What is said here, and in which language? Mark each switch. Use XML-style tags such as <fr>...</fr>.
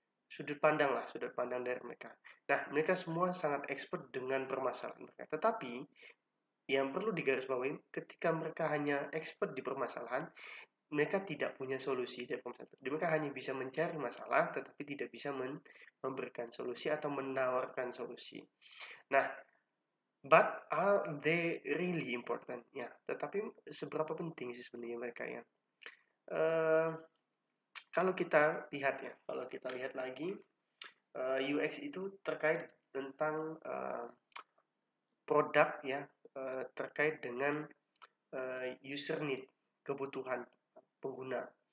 <id>sudut pandang lah, sudut pandang dari mereka. Nah, mereka semua sangat expert dengan permasalahan mereka. Tetapi, yang perlu digarisbawahi, ketika mereka hanya expert di permasalahan, mereka tidak punya solusi dari permasalahan. Jadi mereka hanya bisa mencari masalah, tetapi tidak bisa memberikan solusi atau menawarkan solusi.</id> <en>Nah, but are they really important?</en> <id>Ya, tetapi seberapa penting sih sebenarnya mereka ya? Kalau kita lihat ya, kalau kita lihat lagi, UX itu terkait tentang produk ya, terkait dengan user need, kebutuhan pengguna.</id>